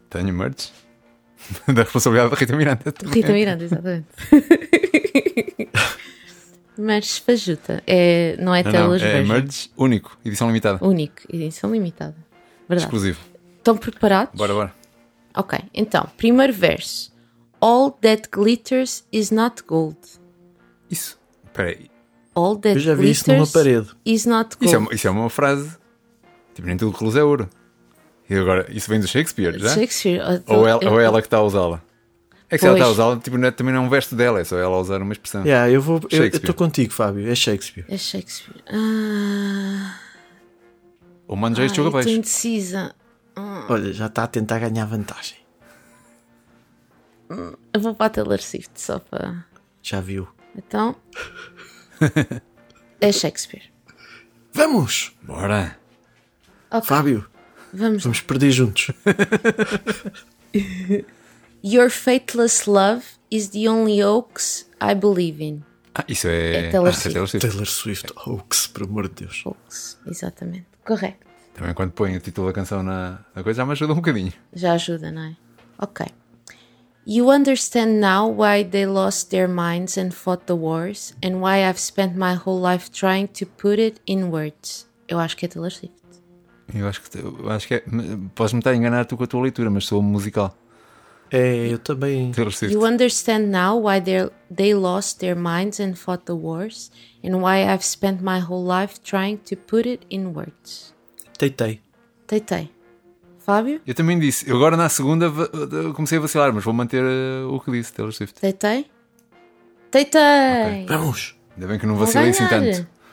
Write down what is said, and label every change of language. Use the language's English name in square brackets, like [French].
[Portuguese] Tenho merch. Da responsabilidade da Rita Miranda. Também. Rita Miranda, exatamente. Merch fajuta. É, não é telas verdes. É merch único, edição limitada. Único, edição limitada. Verdade. Exclusivo. Estão preparados? Bora. Ok, então, primeiro verso. [English] All that glitters is not gold. [Portuguese] Isso. Espera aí. [English] All that [Portuguese] Eu já vi [English] glitters [Portuguese] isso numa parede. [English] Is not gold. [Portuguese] Isso é uma frase. Tipo, nem tudo que luz é ouro. E agora, isso vem do Shakespeare, já? Shakespeare. Ou é ela que está a usá-la? É que se ela está a usá-la, tipo, não é, também não é um verso dela, é só ela usar uma expressão. Yeah, eu vou. Eu estou contigo, Fábio. É Shakespeare. É Shakespeare. Ah... O mano já estou abaixo. Estou indecisa. Olha, já está a tentar ganhar vantagem. Eu vou para a Taylor Swift só para. Já viu? Então. É Shakespeare. Vamos! Bora! Okay. Fábio! Vamos perder juntos. [English] Your faithless love is the only hoax I believe in. [Portuguese] Ah, isso é Taylor Swift. Hoax, por amor de Deus. Hoax, exatamente. Correto. Também quando põe o título da canção na coisa já me ajuda um bocadinho. Já ajuda, não é? Ok. [English] You understand now why they lost their minds and fought the wars and why I've spent my whole life trying to put it in words. [Portuguese] Eu acho que é Taylor Swift. Eu acho que é. Podes-me estar a enganar tu com a tua leitura, mas sou musical. É, eu também. [English] You understand now why they lost their minds and fought the wars and why I've spent my whole life trying to put it in words. [Portuguese] Tentei. Fábio? Eu também disse. Eu agora na segunda comecei a vacilar, mas vou manter o que disse, Taylor Swift. Tentei. Okay. Vamos. Ainda bem que não vacilei assim tanto.